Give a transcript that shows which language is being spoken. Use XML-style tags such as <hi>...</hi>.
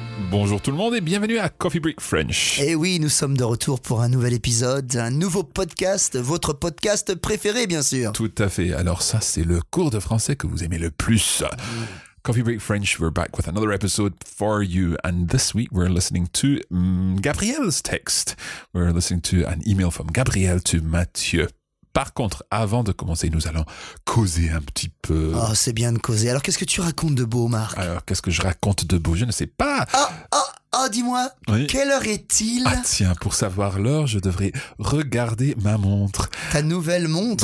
<fr>Bonjour tout le monde et bienvenue à Coffee Break French. Et oui, nous sommes de retour pour un nouvel épisode, un nouveau podcast, votre podcast préféré bien sûr. Tout à fait, alors ça c'est le cours de français que vous aimez le plus.</fr> <en>Coffee Break French, we're back with another episode for you. And this week we're listening to Gabrielle's text. We're listening to an email from Gabrielle to Mathieu.</en> <fr>Par contre, avant de commencer, nous allons causer un petit peu. Oh, c'est bien de causer. Alors, qu'est-ce que tu racontes de beau, Marc? Alors, qu'est-ce que je raconte de beau? Je ne sais pas. Dis-moi, oui. Quelle heure est-il? Ah tiens, pour savoir l'heure, je devrais regarder ma montre. Ta nouvelle montre?</fr>